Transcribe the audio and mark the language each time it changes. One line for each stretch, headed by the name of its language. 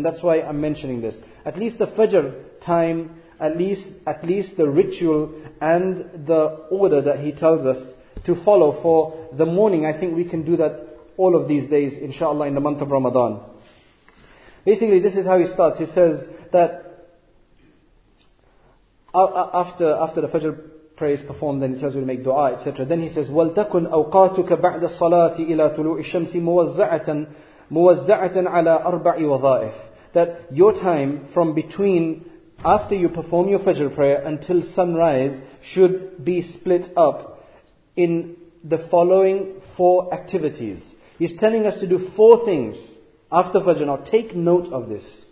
English: And that's why I'm mentioning this. At least the Fajr time, at least the ritual and the order that he tells us to follow for the morning, I think we can do that all of these days, inshallah, in the month of Ramadan. Basically, this is how he starts. He says that after the Fajr prayer is performed, then he tells you to make dua, etc. Then he says,
Arabic: وَلْتَكُنْ أَوْقَاتُكَ بَعْدَ الصَّلَاةِ إِلَىٰ تُلُوءِ الشَّمْسِ مُوَزَّعَةً عَلَىٰ أَرْبَعِ وَظَائِفِ.
English: That your time from between, after you perform your Fajr prayer until sunrise, should be split up in the following four activities. He's telling us to do four things after Fajr. Now take note of this.